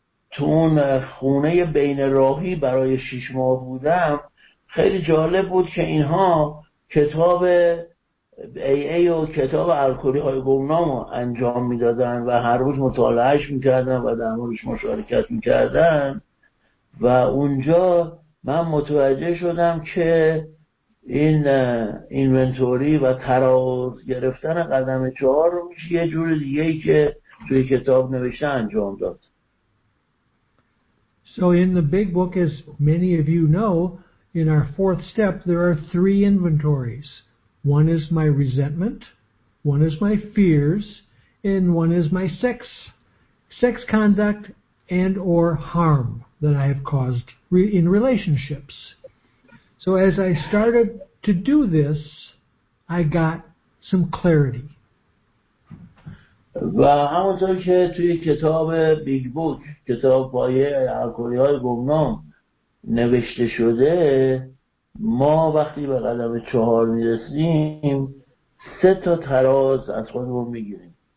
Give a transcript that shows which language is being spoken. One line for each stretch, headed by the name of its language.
Persian: تو اون خونه بین راهی برای 6 ماه بودم، خیلی جالب بود که اینها کتاب AA و کتاب الکلی های گمنام انجام میدادن و هر روز مطالعهش میکردن و در موردش مشارکت میکردن، و اونجا من متوجه شدم که این اینونتوری و تراز گرفتن قدم 4 رو میشه یه جور دیگه‌ای که توی کتاب نوشته انجام داد.
English: So in the Big Book, as many of you know, in our fourth step, there are 3 inventories. One is my resentment, one is my fears, and one is my sex conduct and or harm that I have caused in relationships. So as I started to do this, I got some clarity.
Persian: و همونطور که توی کتاب بیگ بوک، کتاب پایه الکلی های گمنام نوشته شده، ما وقتی به قدم 4 میرسیم 3 تراز از خودمون میگیریم.